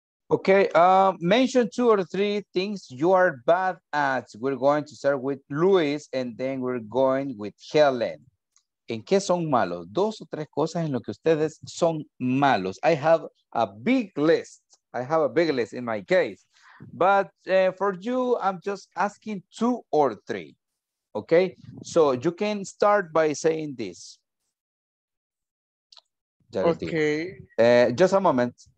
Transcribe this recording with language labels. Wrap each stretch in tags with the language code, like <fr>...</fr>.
<en>Okay, mention two or three things you are bad at. We're going to start with Luis and then we're going with Helen.</en> <es>¿En qué son malos? Dos o tres cosas en lo que ustedes son malos.</es> <en>I have a big list. I have a big list in my case. But for you, I'm just asking two or three. Okay, so you can start by saying this. Okay. Just a moment.</en>